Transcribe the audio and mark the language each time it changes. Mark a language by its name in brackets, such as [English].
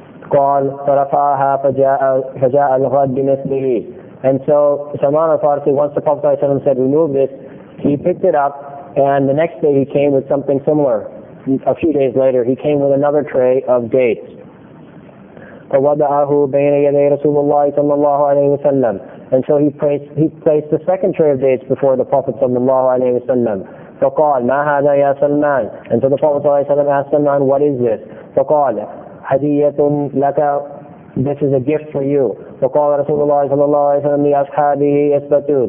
[Arabic] قال فرفعها فجاء الغد بمثله. [English] And so Salman al-Farsi, once the Prophet sallallahu alaihi wasallam said remove this, he picked it up, and the next day he came with something similar. A few days later, he came with another tray of dates. [Arabic] فوضعه بين يدي رسول الله صلى الله عليه وسلم. [English] And so he placed the second tray of dates before the Prophet صلى الله عليه وسلم. [Arabic] فقال ما هذا يا سلمان. [English] And so the Prophet صلى الله عليه وسلم asked Salman, what is this. [Arabic] فقال هدية لك [English] This is a gift for you. [Arabic] وَقَالَ رَسُولُ اللَّهِ صَلَى اللَّهُ عَلَيْهِ وَسَلَّمْ لِأَصْحَابِهِ اسْبَتُوا.